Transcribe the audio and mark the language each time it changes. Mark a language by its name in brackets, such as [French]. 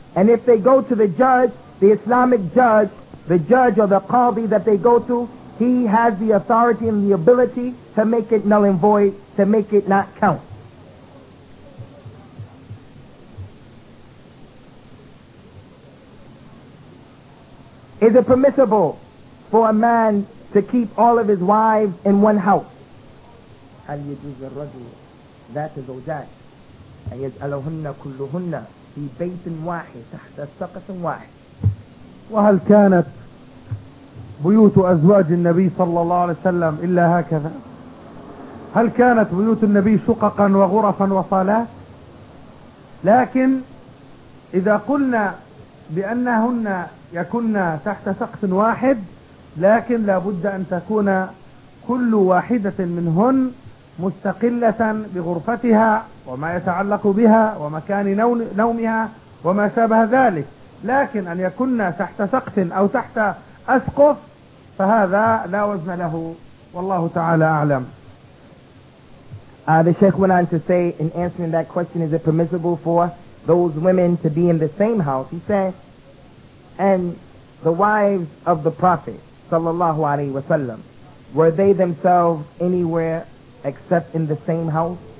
[English] And if they go to the judge, the Islamic judge, the judge or the qadi that they go to, he has the authority and the ability to make it null and void, to make it not count. Is it permissible for a man to keep all of his wives in one house? [Arabic] هل يجوز الرجل ذات زوجات أن يجعلهن كلهن في بيت واحد تحت سقف واحد؟ وهل كانت بيوت أزواج النبي صلى الله عليه وسلم إلا هكذا؟ هل كانت بيوت النبي شققا وغرفا وصالات؟ لكن إذا قلنا بأنهن يكن تحت سقف واحد، لكن لابد أن تكون كل واحدة منهن مستقلة بغرفتها وما يتعلق بها ومكان نومها وما شابه ذلك، لكن أن يكن تحت سقف أو تحت أسقف فهذا لا وزن له، والله تعالى أعلم. [English] The Sheikh went on to say, in answering that question, is it permissible for those women to be in the same house? He said, and the wives of the Prophet sallallahu alaihi wasallam, were they themselves anywhere except in the same house?